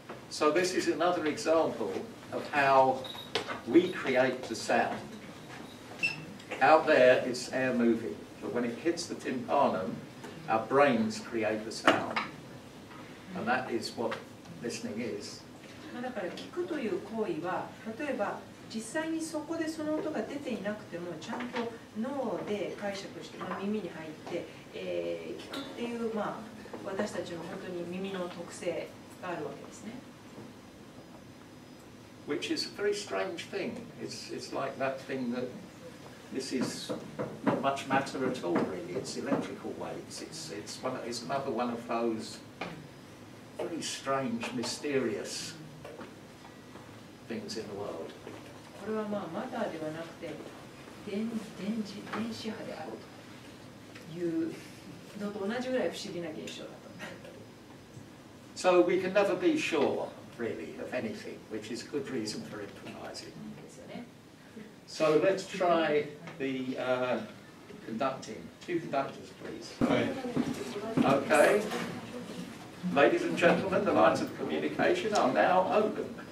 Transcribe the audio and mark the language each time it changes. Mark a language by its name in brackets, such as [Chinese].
[English] So this is another example of how we create the sound. Out there it's air moving, but when it hits the tympanum, our brains create the sound. And that is what listening is. [Japanese] だから聞くという行為は、例えば実際にそこでその音が出ていなくても、ちゃんと脳で解釈して、まあ、耳に入って、聞くっていう、まあ私たちの本当に耳の特性があるわけですね。 [English] Which is a very strange thing. It's like that thing that this is not much matter at all, really. It's electrical waves. It's another one of those very strange, mysterious things in the world. [Japanese] これはまあマターではなくて電磁波であるというのと同じぐらい不思議な現象だ。 [English] So we can never be sure, really, of anything, which is a good reason for improvising. So let's try the conducting. Two conductors, please. Okay. Ladies and gentlemen, the lines of communication are now open.